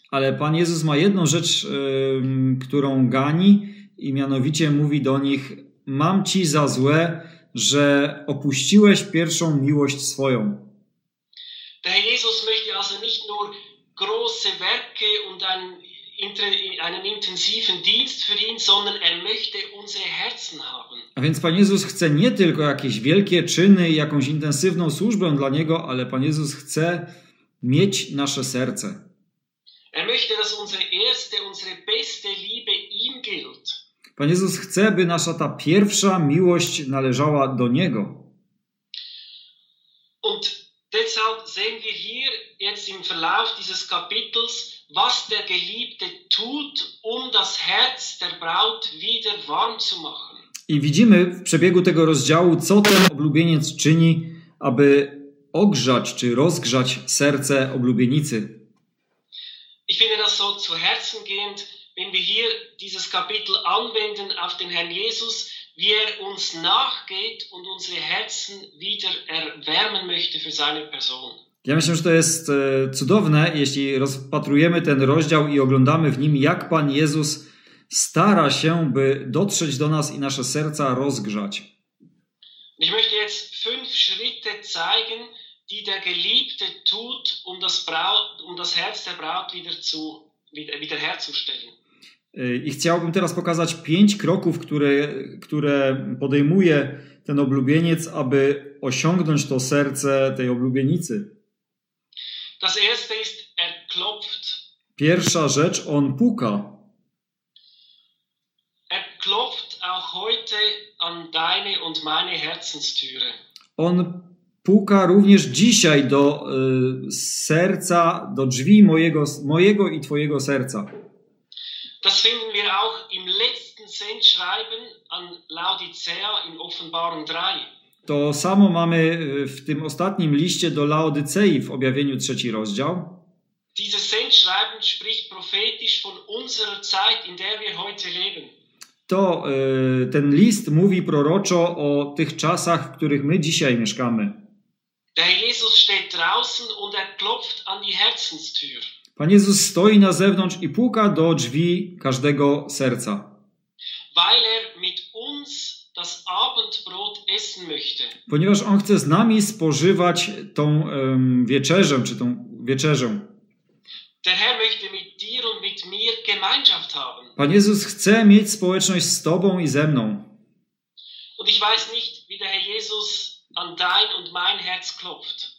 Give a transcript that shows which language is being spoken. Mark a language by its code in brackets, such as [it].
[pl] Ale Pan Jezus ma jedną rzecz, którą gani, i mianowicie mówi do nich: mam ci za złe, że opuściłeś pierwszą miłość swoją. [de] Der Jesus möchte also nicht nur große Werke und einen intensiven Dienst für ihn, sondern er möchte unsere Herzen haben. [pl] A więc Pan Jezus chce nie tylko jakieś wielkie czyny i jakąś intensywną służbę dla Niego, ale Pan Jezus chce mieć nasze serce. [de] Er möchte, dass unsere beste Liebe ihm gilt. [pl] Pan Jezus chce, by nasza ta pierwsza miłość należała do Niego. [de] Und deshalb sehen wir hier jetzt im Verlauf dieses Kapitels, was der Geliebte tut, das Herz der Braut wieder warm zu machen. [pl] I widzimy w przebiegu tego rozdziału, co ten oblubieniec czyni, aby ogrzać czy rozgrzać serce oblubienicy. [de] Ich finde das so zu Herzen gehend, wenn wir hier dieses Kapitel anwenden auf den Herrn Jesus, wie uns nachgeht und unsere Herzen wieder erwärmen möchte für seine Person. [pl] Ja myślę, że to jest cudowne, jeśli rozpatrujemy ten rozdział i oglądamy w nim, jak Pan Jezus stara się, by dotrzeć do nas i nasze serca rozgrzać. [de] Ich möchte jetzt fünf Schritte zeigen, die der Geliebte tut, das Herz der Braut wiederherzustellen. [pl] I chciałbym teraz pokazać pięć kroków, które podejmuje ten oblubieniec, aby osiągnąć to serce tej oblubienicy. [de] Das erste ist, er klopft. [pl] Pierwsza rzecz, on puka. [de] Er klopft auch heute an deine und meine Herzenstüre. [pl] On puka również dzisiaj do serca, do drzwi mojego i twojego serca. [de] Das finden wir auch im letzten Sendschreiben an Laodicea in Offenbarung 3. [pl] To samo mamy w tym ostatnim liście do Laodycei w objawieniu trzeci rozdział. [de] Dieses Sendschreiben spricht prophetisch von unserer Zeit, in der wir heute leben. [pl] To ten list mówi proroczo o tych czasach, w których my dzisiaj mieszkamy. [de] Der Jesus steht draußen und er klopft an die Herzenstür. [pl] Pan Jezus stoi na zewnątrz i puka do drzwi każdego serca. [de] Weil er mit uns das Abendbrot essen möchte. [pl] Ponieważ on chce z nami spożywać tą wieczerzę, czy tą wieczerzę. [de] Der Herr möchte mit dir und mit mir Gemeinschaft haben. [pl] Pan Jezus chce mieć społeczność z tobą i ze mną. [de] Und ich weiß nicht, wie der Herr Jesus an dein und mein Herz klopft.